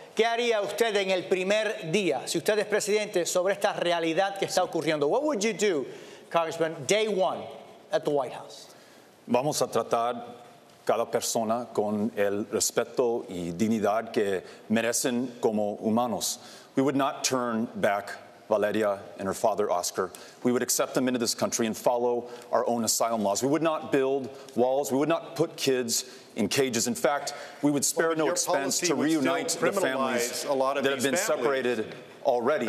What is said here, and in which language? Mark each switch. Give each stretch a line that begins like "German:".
Spanish: ¿Qué haría usted en el primer día, si usted es presidente, sobre esta realidad que está ocurriendo?
English: What would you do, Congressman, day one at the White House?
Spanish: Vamos a tratar cada persona con el respeto y dignidad que merecen como humanos.
English: We would not turn back Valeria and her father, Oscar. We would accept them into this country and follow our own asylum laws. We would not build walls. We would not put kids in cages. In fact, we would spare no expense to reunite the families that have been separated already.